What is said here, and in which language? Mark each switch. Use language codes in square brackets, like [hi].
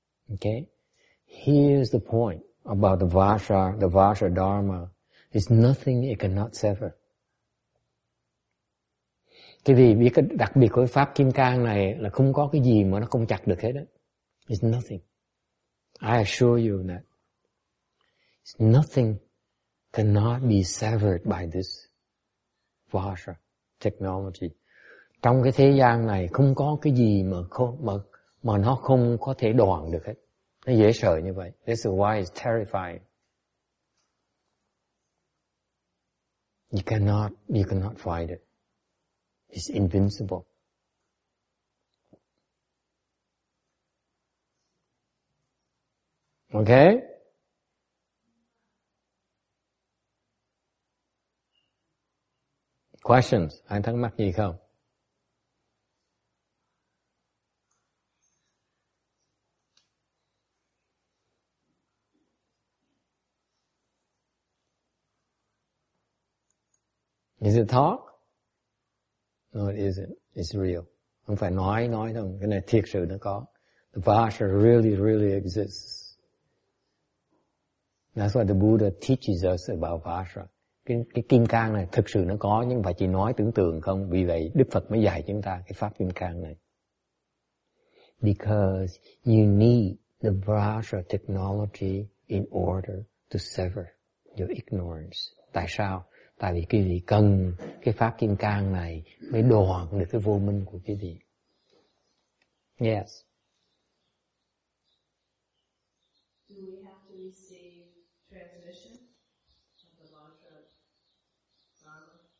[en] Okay, here's the point about the Vajra Dharma. It's nothing it cannot sever. [vi] Cái gì biết cái đặc biệt của pháp Kim Cang này là không có cái gì mà nó không chặt được hết đó. [en] It's nothing. I assure you that. It's nothing cannot be severed by this Vajra technology. [vi] Trong cái thế gian này không có cái gì mà nó không có thể đoạn được hết. Nó dễ sợ như vậy. [en] This is why it's terrifying. You cannot fight it. It's invincible. Okay? Questions? [vi] Ai thắc mắc gì không? [en] Is it talk? No, it isn't. It's real. [vi] Không phải nói đâu. Cái này thiệt sự nó có. [en] The Vajra really, really exists. That's what the Buddha teaches us about Vajra. [vi] Cái Kim Cang này thực sự nó có, nhưng phải chỉ nói tưởng tượng không. Vì vậy, Đức Phật mới dạy chúng ta cái pháp Kim Cang này. [en] Because you need the Vajra technology in order to sever your ignorance. [vi] Tại sao? Tại vì quý vị cần cái pháp Kim Cang này mới đoạn được cái vô minh của quý vị. [en] Yes. Do we have to receive transmission of the Vajra Dharma?